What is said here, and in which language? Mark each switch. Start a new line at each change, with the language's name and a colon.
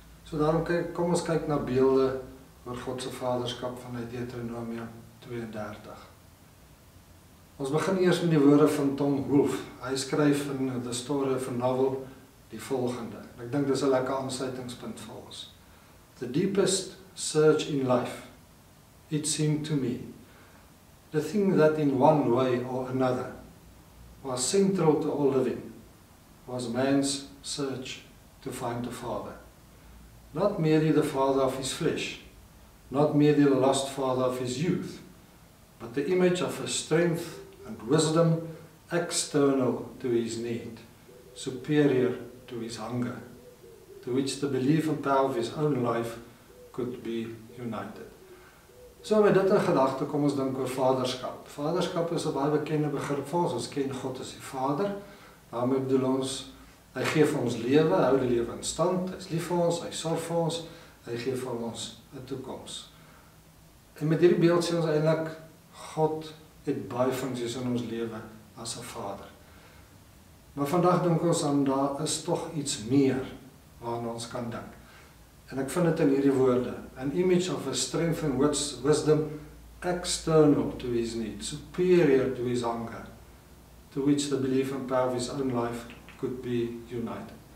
Afrikaans: So daarom kom ons kyk na beelde oor God se vaderskap vanuit Deuteronomium 32. Ons begin eers met die woorde van Tom Wolfe. Hy skryf in The Story of a Novel die volgende. Ek dink dis 'n lekker aansluitingspunt vir ons.
English: The deepest search in life, it seemed to me, the thing that in one way or another was central to all living, was man's search to find a father. Not merely the father of his flesh, not merely the lost father of his youth, but the image of a strength and wisdom external to his need, superior to his hunger, to which the belief and power of his own life could be united.
Afrikaans: So met dit in gedagte kom ons dink oor vaderskap. Vaderskap is 'n baie bekende begrip vir ons. Ons ken God as die Vader. Daarmee bedoel ons, hy gee vir ons lewe, hou die lewe in stand, hy is lief vir ons, hy sorg vir ons, hy gee vir ons 'n toekoms. En met hierdie beeld sê ons eintlik, God het baie funksies in ons lewe as 'n Vader. Maar vandag dink ons aan, daar is tog iets meer waarna ons kan dink. En ek vind dit in hierdie woorde,
English: an image of a strength and wisdom external to his need, superior to his hunger, to which the belief and power of his own life could be united.